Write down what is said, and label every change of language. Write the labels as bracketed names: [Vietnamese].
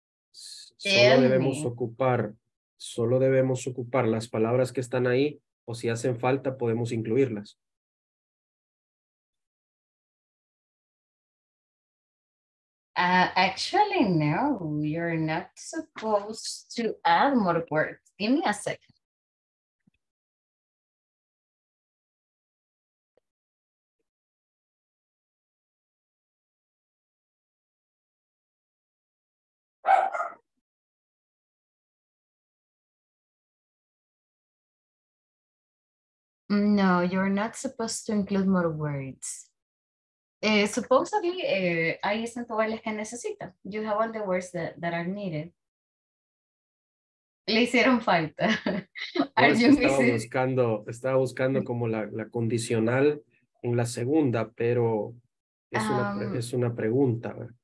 [Spanish] Solo debemos ocupar las palabras que están ahí, o si hacen falta, podemos incluirlas. [English] Actually, no, you're not supposed to add more words. Give me a second. No, you're not supposed to include more words. [Spanish] Supposedly, ahí están todas las que necesita. [English] You have all the words that are needed. [Spanish] Le hicieron falta. Estaba buscando como la condicional en la segunda, pero es una pregunta.